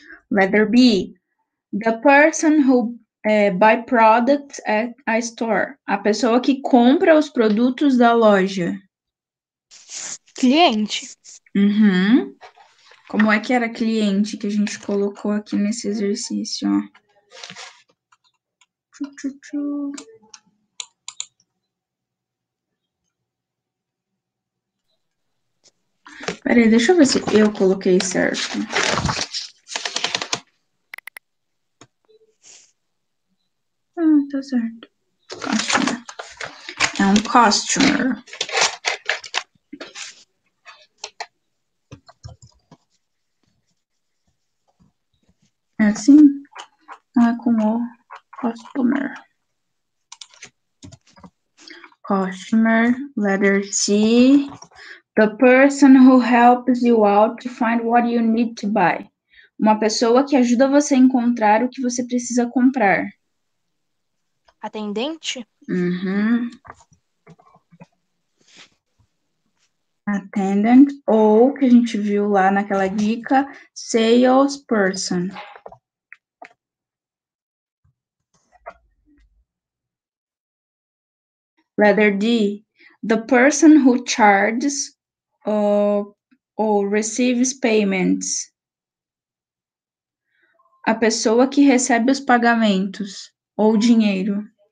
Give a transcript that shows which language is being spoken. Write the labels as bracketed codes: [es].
[en] Letter B, the person who buy products at a store. [pt] A pessoa que compra os produtos da loja. Cliente. Uhum. Como é que era cliente que a gente colocou aqui nesse exercício? Tchutchutchu. Peraí, deixa eu ver se eu coloquei certo. Tá certo. Customer. É um customer. É assim? Não é com o customer. [en] Customer, letter C. The person who helps you out to find what you need to buy. [pt] Uma pessoa que ajuda você a encontrar o que você precisa comprar. Atendente? Uhum. Attendant, ou que a gente viu lá naquela dica, salesperson. [en] Letter D, the person who charges or receives payments. [pt] A pessoa que recebe os pagamentos ou dinheiro.